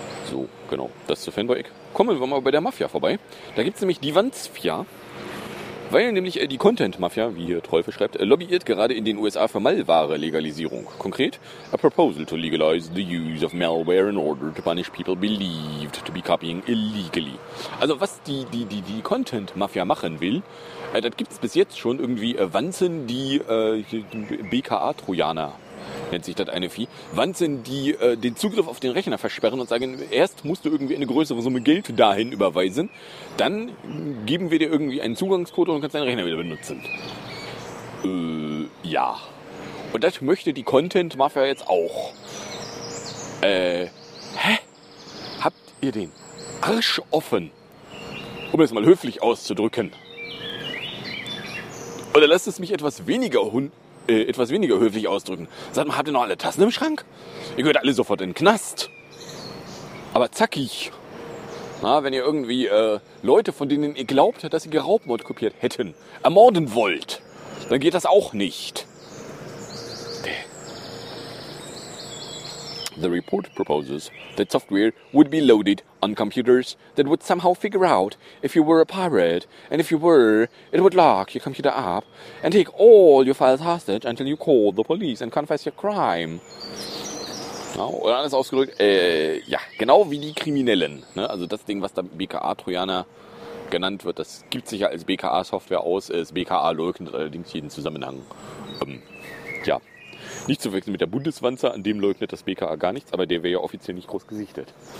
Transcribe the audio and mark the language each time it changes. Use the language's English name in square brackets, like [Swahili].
[German] So, genau. Das zur Fanboy-Ecke. Kommen wir mal bei der Mafia vorbei. Da gibt es nämlich die Wanzfia. Weil nämlich die Content-Mafia, wie hier Teufel schreibt, lobbyiert gerade in den USA für Malware-Legalisierung. Konkret, [English] a proposal to legalize the use of malware in order to punish people believed to be copying illegally. [German] Also was die Content-Mafia machen will, das gibt's bis jetzt schon irgendwie Wanzen, die BKA-Trojaner, nennt sich das eine Vieh, Wanzen, die den Zugriff auf den Rechner versperren und sagen, erst musst du irgendwie eine größere Summe Geld dahin überweisen, dann geben wir dir irgendwie einen Zugangscode und kannst deinen Rechner wieder benutzen. Ja. Und das möchte die Content-Mafia jetzt auch. Habt ihr den Arsch offen? Um es mal höflich auszudrücken. Oder lasst es mich etwas weniger höflich ausdrücken. Sagt mal, habt ihr noch alle Tassen im Schrank? Ihr gehört alle sofort in den Knast. Aber zackig. Na, wenn ihr irgendwie Leute, von denen ihr glaubt, dass sie Raubmord kopiert hätten, ermorden wollt, dann geht das auch nicht. [English] The report proposes that software would be loaded on computers that would somehow figure out if you were a pirate, and if you were, it would lock your computer up and take all your files hostage until you call the police and confess your crime. [German] Oder alles ausgedrückt, genau wie die Kriminellen. Ne? Also das Ding, was da BKA-Trojaner genannt wird. Das gibt sich ja als BKA-Software aus. Das BKA leugnet allerdings jeden Zusammenhang. Ja, nicht zu verwechseln mit der Bundeswanze, an dem leugnet das BKA gar nichts, aber der wäre ja offiziell nicht groß gesichtet.